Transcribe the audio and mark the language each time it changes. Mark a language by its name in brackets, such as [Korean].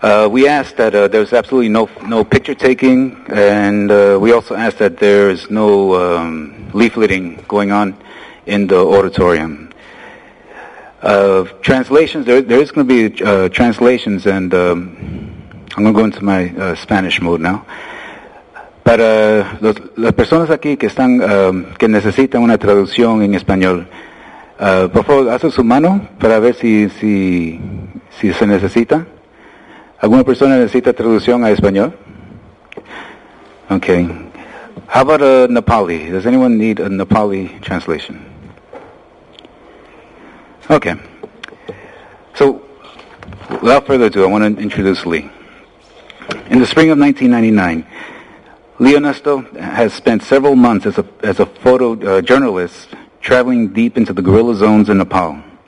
[English] We ask that there's absolutely no picture taking, and we also ask that there is no leafleting going on in the auditorium. Translations, there is going to be translations, and I'm going to go into my Spanish mode now. [Spanish] Para las personas aquí que están que necesitan una traducción en español, por favor, hace su mano para ver si se necesita. ¿Alguna persona necesita traducción a español? [English] Okay. How about a Nepali? Does anyone need a Nepali translation? Okay. So, without further ado, I want to introduce Lee. In the spring of 1999, Leo Nesto has spent several months as a photo journalist traveling deep into the guerrilla zones in Nepal.